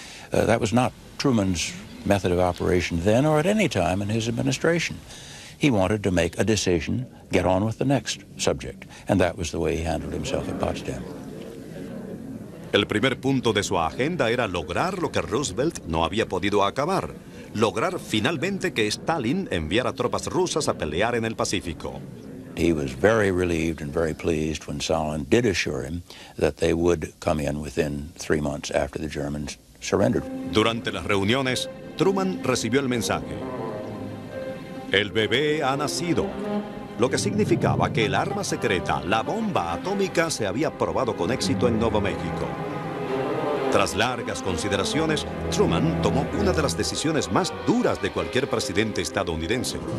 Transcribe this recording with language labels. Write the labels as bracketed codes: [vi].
[en] That was not Truman's method of operation then or at any time in his administration. He wanted to make a decision, get on with the next subject, and that was the way he handled himself at Potsdam. [es] El primer punto de su agenda era lograr lo que Roosevelt no había podido acabar, lograr finalmente que Stalin enviara tropas rusas a pelear en el Pacífico. [en] He was very relieved and very pleased when Stalin did assure him that they would come in within 3 months after the Germans surrendered. [es] Durante las reuniones, Truman recibió el mensaje. El bebé ha nacido, lo que significaba que el arma secreta, la bomba atómica, se había probado con éxito en Nuevo México. Tras largas consideraciones, Truman tomó una de las decisiones más duras de cualquier presidente estadounidense.